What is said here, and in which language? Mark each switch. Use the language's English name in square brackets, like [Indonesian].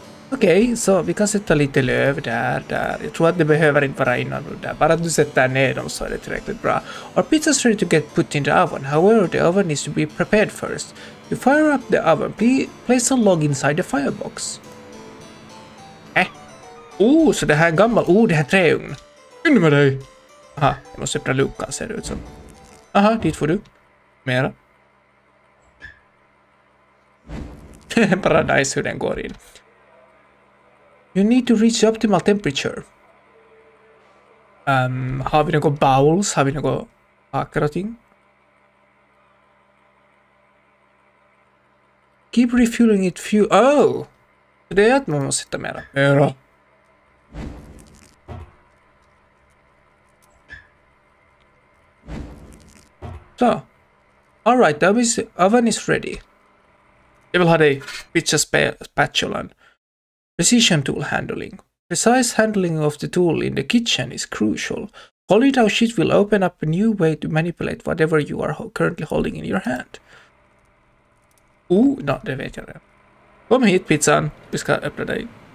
[Swedish] Okej, så vi kan sätta lite löv där. Jag tror att det behöver inte vara innan de där. Bara att du sätter ner dem så är det tillräckligt bra. [English] Our pizza is ready to get put in the oven. However, the oven needs to be prepared first. To fire up the oven, place a log inside the firebox. [Swedish] Oh, så det här är en gammal. Oh, det här är träugn. In med dig. Aha, jag måste öppna luckan ser det ut som. Aha, dit får du. Mera. Bara nice hur den går in. [English] You need to reach optimal temperature. [Swedish] Har vi några bowls? Har vi några hakar och ting? [English] Keep refueling it few... [Swedish] Oh! Det är att man måste sitta mera. Mera. [English] Så. All right, the oven is ready. Jag vill ha dig pizza spatulan. Precision tool handling. Precise handling of the tool in the kitchen is crucial. Holding down shift will open up a new way to manipulate whatever you are currently holding in your hand. [Swedish] Ooh, no, det vet jag redan. Kom hit pizzan, vi ska öppna dig.